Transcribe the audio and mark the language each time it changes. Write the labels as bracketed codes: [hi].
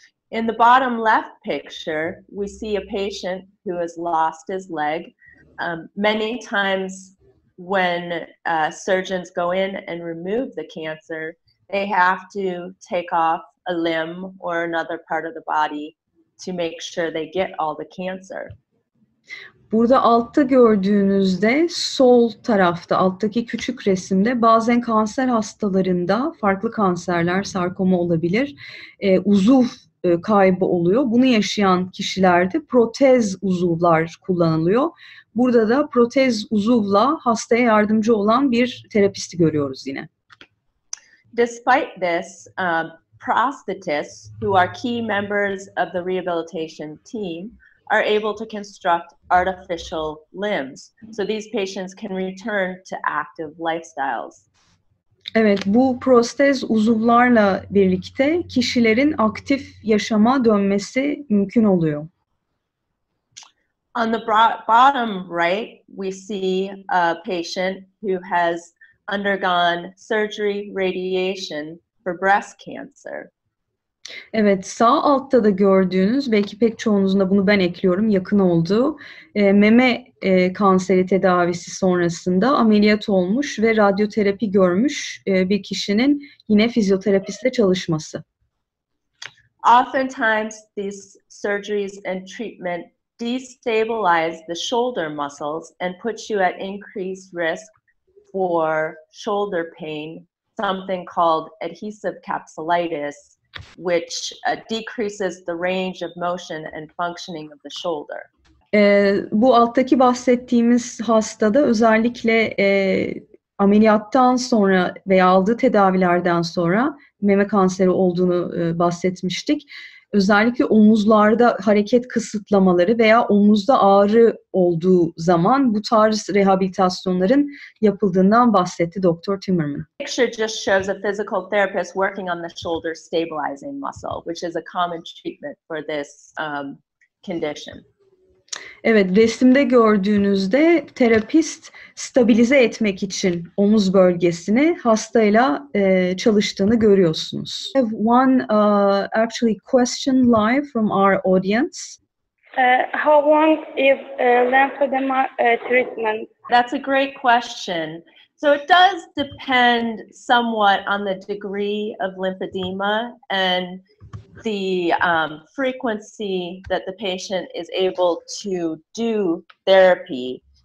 [en] In the bottom left picture, we see a patient who has lost his leg. Many times when surgeons go in and remove the cancer, they have to take off a limb or another part of the body to make sure they get all the cancer. [tr] Burada altta gördüğünüzde sol tarafta alttaki küçük resimde bazen kanser hastalarında farklı kanserler, sarkoma olabilir, uzuv kaybı oluyor. Bunu yaşayan kişilerde protez uzuvlar kullanılıyor. Burada da protez uzuvla hastaya yardımcı olan bir terapisti görüyoruz yine. [en] Despite this, prosthetists, who are key members of the rehabilitation team, are able to construct artificial limbs. So these patients can return to active lifestyles. [tr] Evet, bu prostez uzuvlarla birlikte kişilerin aktif yaşama dönmesi mümkün oluyor. [en] On the bottom right, we see a patient who has undergone surgery, radiation for breast cancer. [tr] Evet, sağ altta da gördüğünüz, belki pek çoğunuzun da bunu ben ekliyorum, yakın olduğu meme kanseri tedavisi sonrasında ameliyat olmuş ve radyoterapi görmüş bir kişinin yine fizyoterapistle çalışması. [en] Oftentimes these surgeries and treatment destabilize the shoulder muscles and puts you at increased risk for shoulder pain, something called adhesive capsulitis, which decreases the range of motion and functioning of the shoulder. [tr] Bu alttaki bahsettiğimiz hastada özellikle ameliyattan sonra veya aldığı tedavilerden sonra meme kanseri olduğunu bahsetmiştik. Özellikle omuzlarda hareket kısıtlamaları veya omuzda ağrı olduğu zaman bu tarz rehabilitasyonların yapıldığından bahsetti Dr. Timmerman. [en] The picture just shows a physical therapist working on the shoulder stabilizing muscle, which is a common treatment for this condition. [tr] Evet, resimde gördüğünüzde terapist stabilize etmek için omuz bölgesini hastayla çalıştığını görüyorsunuz. [en] I have one actually question live from our audience. How long is lymphedema treatment? That's a great question. So it does depend somewhat on the degree of lymphedema and the frequency that the patient is able to do therapy.